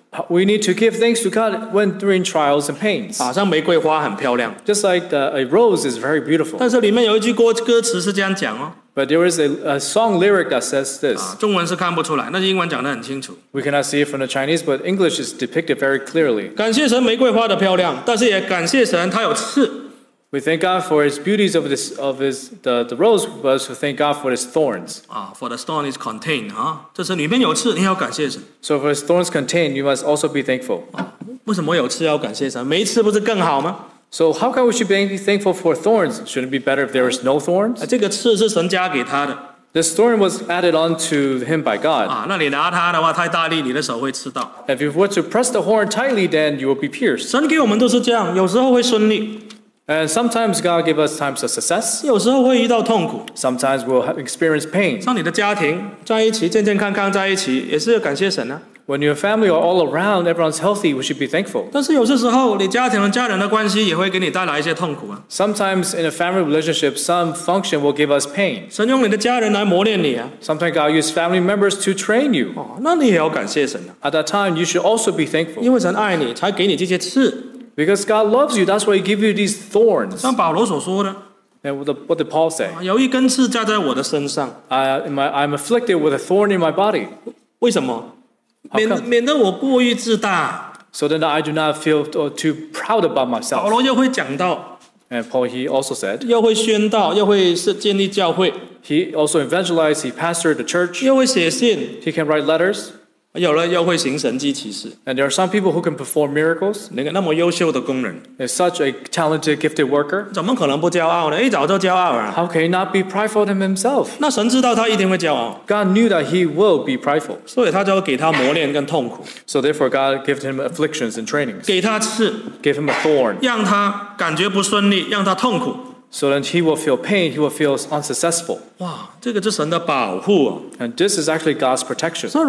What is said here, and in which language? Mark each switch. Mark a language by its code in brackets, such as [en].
[en] We need to give thanks to God when during trials and pains. [zh] 好像玫瑰花很漂亮。 [en] Just like a rose is very beautiful. [zh] 但是里面有一句歌词是这样讲哦。 [en] But there is a song lyric that says this. [zh] 啊, 中文是看不出来，那英文讲得很清楚。 [en] We cannot see it from the Chinese, but English is depicted very [zh] clearly. 但是也感谢神他有刺。 [en] We thank God for his beauties of this of his the rose, but also thank God for his thorns. 啊, for the thorn is contained, huh? [zh] 这是里面有刺，你要感谢神。 [en] So for his thorns contained, you must also be thankful. [zh] 啊, 为什么有刺要感谢神? 没刺不是更好吗? [en] So how can we should be thankful for thorns? Shouldn't it be better if there is no thorns? [zh] 这个刺是神加给他的。 [en] This thorn was added on to him by God. [zh] 啊, 那你拿它的话,太大力,你的手会刺到。 [en] If you were to press the horn tightly, then you will be pierced. [zh] 神给我们都是这样,有时候会顺利。 [en] And sometimes God gives us times of success. [zh] 有时候会遇到痛苦。 [en] Sometimes we'll experience pain. [zh] 像你的家庭,在一起,健健康康在一起,也是要感谢神啊。 [en] When your family are all around, everyone's healthy, we should be thankful. [zh] 但是有些时候,你家庭和家人的关系也会给你带来一些痛苦啊。 [en] Sometimes in a family relationship, some function will give us pain. [zh] 神用你的家人来磨练你啊。 [en] Sometimes God uses family members to train you. [zh] 哦, 那你也要感谢神啊。 [en] At that time, you should also be thankful. [zh] 因为神爱你,才给你这些刺。 [en] Because God loves you, that's why he gives you these thorns. [zh] 像保罗所说的, [en] and what did Paul say? [zh] 有一根刺架在我的身上。 [en] I'm afflicted with a thorn in my body. [zh] 为什么?免得我过于自大。 [en] So then I do not feel too proud about myself. [zh] 保罗又会讲到, [en] and Paul, he also said, [zh] 又会宣道, 又会建立教会, [en] he also evangelized, he pastored the church. [zh] 又会写信, [en] he can write letters. [zh] 有了又会行神迹奇事, [en] and there are some people who can perform miracles. [zh] 那个那么优秀的工人, [en] is such a talented, gifted worker. [zh] 怎么可能不骄傲呢?一早就骄傲了。 [en] How can he not be prideful in himself? [zh] 那神知道他一定会骄傲。 [en] God knew that he will be prideful. [zh] 所以他就给他磨练跟痛苦。 [en] So therefore, God gave him afflictions and trainings. [zh] 给他刺, [en] gave him a thorn. [zh] 让他感觉不顺利, 让他痛苦。 [en] So then he will feel pain, he will feel unsuccessful. [zh] 哇,这个是神的保护啊。 [en] And this is actually God's protection.